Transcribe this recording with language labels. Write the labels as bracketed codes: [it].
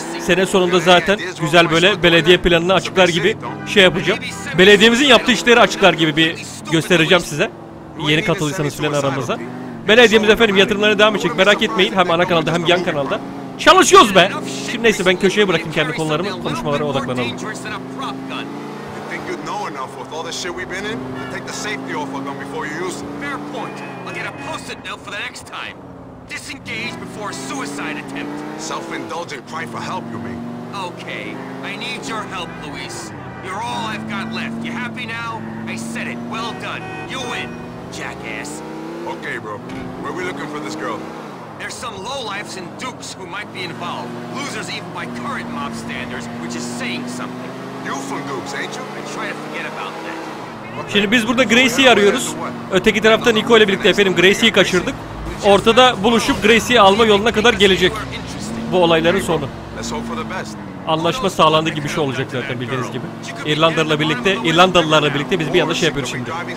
[tr] Sene sonunda zaten güzel böyle belediye planını açıklar gibi şey yapacağım. Belediyemizin yaptığı işleri açıklar gibi bir göstereceğim size. Yeni katıldıysanız filan aramıza. Belediyemiz efendim yatırımlarını devam edecek. Merak etmeyin. Hem ana kanalda hem yan kanalda. Çalışıyoruz be. Şimdi neyse ben köşeye bırakayım kendi konularımı, konuşmalara odaklanalım. [en] You think you'd know enough with all the shit we've been in? You take the safety off a gun before you use it. Fair point. I'll get a post-it note for the next time. Disengage before a suicide attempt. Self-indulgent cry for help, you mean? Okay. I need your help, Luis. You're all I've got left. You happy now? I said it. Well done. You win, jackass. Okay, bro. Where are we looking for this girl? There's some lowlifes and dukes who might be involved. Losers even by current mob standards, which is saying something. You from Dukes, ain't you? I try to forget about that. [tr] Şimdi biz burada Gracie'yi arıyoruz. Öteki tarafta Nico ile birlikte efendim Gracie'yi kaçırdık. Ortada buluşup Gracie'yi alma yoluna kadar gelecek. Bu olayların sonu. Anlaşma sağlandı gibi bir şey olacak zaten bildiğiniz gibi. İrlandalılarla birlikte biz bir yanlış şey yapıyoruz şimdi.